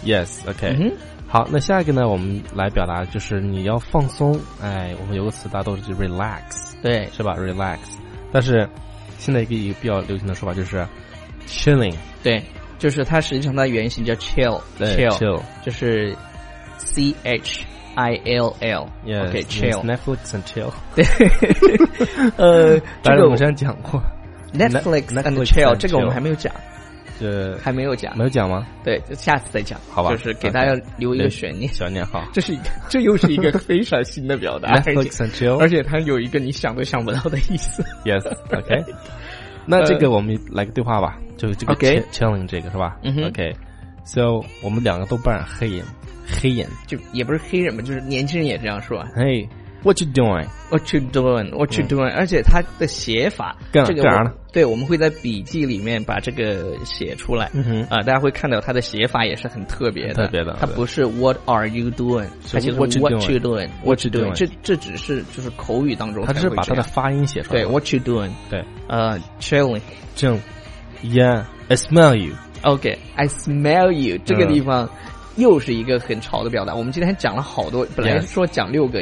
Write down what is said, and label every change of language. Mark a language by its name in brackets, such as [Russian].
[Chinese] Yes OK、好，那下一个呢，我们来表达就是你要放松，哎，我们有个词大家都是 relax，对，是吧？ relax， 但是现在一个比较流行的说法就是chilling，对，就是它实际上它原型叫 chill，对 chill 就是 c h i l l， OK， chill [English] Netflix and chill， [Chinese] 对，但是我们之前讲过 Netflix and chill，这个我们还没有讲，这还没有讲，没有讲吗？对，就下次再讲，好吧？就是给大家留一个悬念，悬念好，这又是一个非常新的表达 [English] Netflix and chill， [Chinese] 而且它有一个你想都想不到的意思。 [English] Yes， OK。 [Chinese] 那这个我们来个对话吧，就是这个 challenge 这个是吧？嗯哼，OK， so 我们两个都扮黑人，就也不是黑人嘛，就是年轻人也这样说。 [English] Hey， What you doing? What you doing? What you doing?、嗯、而且它的写法 [Chinese] 干、这个、啥呢？对，我们会在笔记里面把这个写出来、嗯、大家会看到它的写法也是很特别的，特别的，它不是 What are you doing，它其实是 What you doing？ [English] What you doing？ [Chinese] 这只是就是口语当中它是把它的发音写出来，对， What you doing？对， [English] Chilling， Chilling， Yeah， I smell you。 [Chinese] OK， I smell you、嗯、这个地方又是一个很潮的表达，我们今天讲了好多，本来说讲六个、